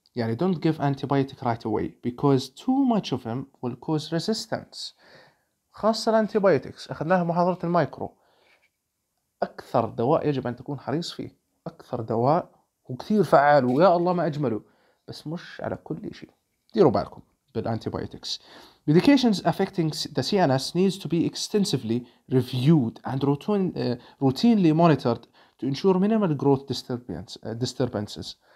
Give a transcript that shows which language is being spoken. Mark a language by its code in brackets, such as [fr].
[ar] يعني [en] don't give antibiotic right away because too much of them will cause resistance. [ar] خاصة الانتيبيوتكس اخذناها محاضرة المايكرو، اكثر دواء يجب ان تكون حريص فيه، اكثر دواء وكثير فعال ويا الله ما أجمله، بس مش على كل شيء. ديروا بالكم بالانتيبيوتكس. [en] Medications affecting the CNS needs to be extensively reviewed and routinely monitored to ensure minimal growth disturbances.